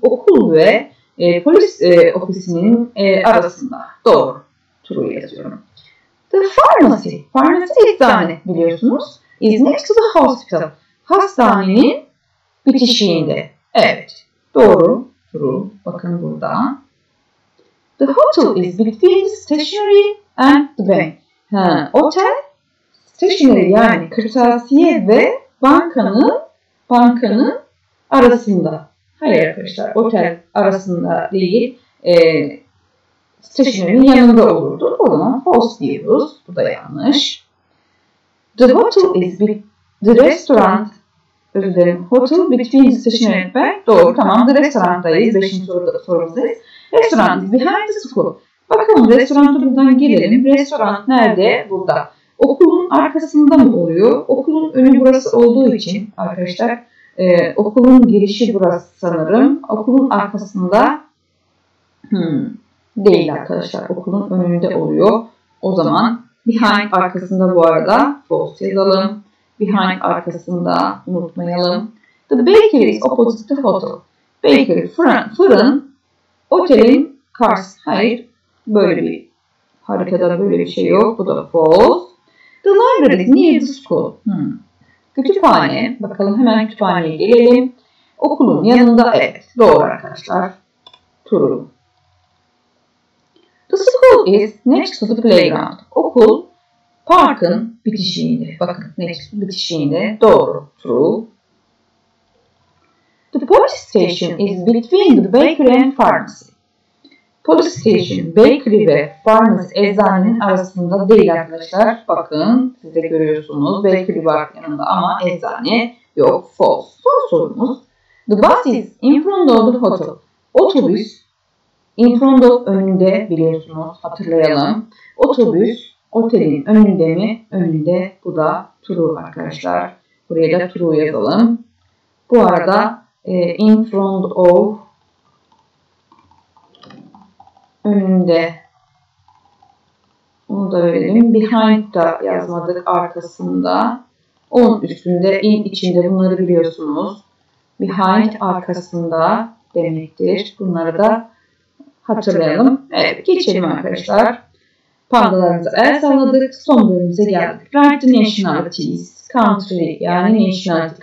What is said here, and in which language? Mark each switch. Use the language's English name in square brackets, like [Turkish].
[Turkish] Okul ve polis ofisinin arasında. Doğru. True yazıyorum. [English] The pharmacy. Pharmacy [Turkish] eczane biliyorsunuz. [English] Is next to the hospital. [Turkish] Hastanenin bitişiğinde. Evet. Doğru. True. Bakın burada. [English] The hotel is between stationery and the bank. [Turkish] Otel, stationery yani kırtasiye ve bankanın arasında. Hayır arkadaşlar. Otel arasında değil. Stationery'nin yanında olurdu. O zaman false diyoruz. Bu da yanlış. [English] The hotel is the restaurant. [Turkish] Özür dilerim. [English] Hotel between the station and bank. [Turkish] Doğru, tamam. [English] The restaurant'tayız. [Turkish] Beşinci sorumuzdayız. [English] Restaurant is behind the school. [Turkish] Bakalım restoranta buradan girelim. Restaurant nerede? Burada. Okulun arkasında mı oluyor? Okulun önü burası olduğu için arkadaşlar. Okulun girişi burası sanırım. Okulun arkasında değil arkadaşlar. Okulun önünde oluyor. O zaman behind arkasında bu arada. False yazalım. Behind arkasında unutmayalım. [English] The bakery is opposite the hotel. [Turkish] Bakery fırın otelin karşı. Hayır, böyle bir harikada böyle bir şey yok. Bu da false. [English] The library is near the school. [Turkish] Kütüphane. Bakalım hemen kütüphaneye gelelim. Okulun yanında. Evet, doğru arkadaşlar. Tururu. [English] The school is next to the playground. [Turkish] Okul parkın bitişiğinde. Bakın next bitişiğinde. Doğru. True. [English] The police station is between the bakery and pharmacy. [Turkish] Police station, bakery ve pharmacy eczanenin arasında değil arkadaşlar. Bakın siz de görüyorsunuz. Bakery var yanında ama eczane yok. False. Son sorumuz. [English] The bus is in front of the hotel. [Turkish] Otobüs in front of önünde biliyorsunuz. Hatırlayalım. Otobüs otelin önünde mi? Önünde. Bu da true arkadaşlar. Buraya da true yazalım. Bu arada in front of önünde bunu da verelim. Behind da yazmadık arkasında. Onun üstünde in içinde bunları biliyorsunuz. Behind arkasında demektir. Bunları da hatırlayalım. Evet geçelim arkadaşlar. Pandalarımıza el salladık. Son bölümümüze geldik. [English] Write the nationalities. Country yani nationality.